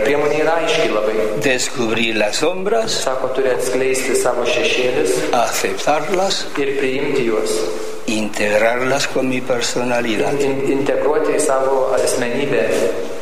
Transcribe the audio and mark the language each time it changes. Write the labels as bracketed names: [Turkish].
[Lithuanian] Priemonė yra aiški labai. [Spanish] Descubrir la sombra. [Lithuanian] Sako, turi atskleisti savo šešėlis. [Spanish] Aceptarlas. [Lithuanian] Ir priimti juos. [Spanish] integrarlas con mi personalidad. [Lithuanian] Integruoti savo asmenybę.